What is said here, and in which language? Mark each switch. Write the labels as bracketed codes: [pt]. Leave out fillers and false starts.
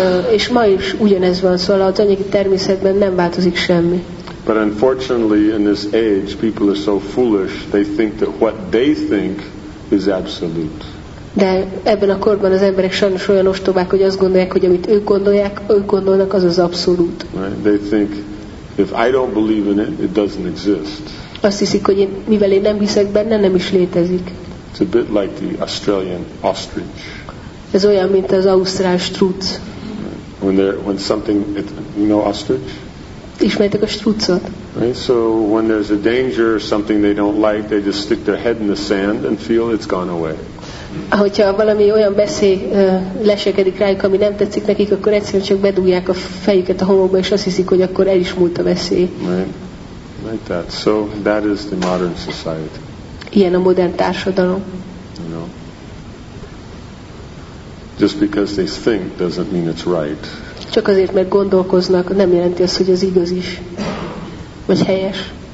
[hu] És ma is ugyanez van, szóval az anyagi természetben nem változik semmi. [en] But unfortunately in this age people are so foolish, they think that what they think is absolute. [hu] De ebben a korban az emberek sajnos olyan ostobák, hogy azt gondolják, hogy amit ők gondolnak, az az abszolút. [en] Right. They think, if I don't believe in it, it doesn't exist. [hu] Azt hiszik, hogy mivel én nem hiszek benne, nem is létezik. [en] It's a bit like the Australian ostrich. [hu] Ez olyan, mint az ausztrál strutz. [en] When something, you know, ostrich. [hu] Ismertek a strutzot? [en] Right. So when there's a danger or something they don't like, they just stick their head in the sand and feel it's gone away. [hu] Ahogyha valami olyan veszély lesekedik rájuk, ami nem tetszik nekik, akkor egyszerűen csak bedugják a fejüket a homokba, és azt hiszik, hogy akkor el is múlt a veszély. [en] Right. Like that. So that is the modern society. [hu] Ilyen a modern társadalom. [en] No. Just because they think doesn't mean it's right. [hu] Csak azért, mert gondolkoznak, nem jelenti azt, hogy az igaz is, vagy helyes.